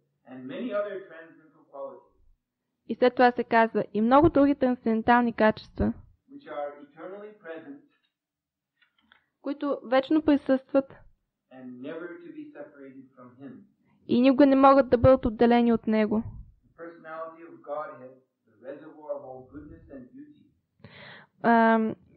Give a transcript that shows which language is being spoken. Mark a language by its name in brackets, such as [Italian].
[English] And many other transcendental qualities, [Bulgarian] и след това се казва и много други трансцендентални качества, [English] which are eternally present, [Bulgarian] които вечно присъстват [English] and never to be separated from him. [Bulgarian] И никога не могат да бъдат отделени от Него. [English] The personality of Godhead, the reservoir of all goodness and beauty.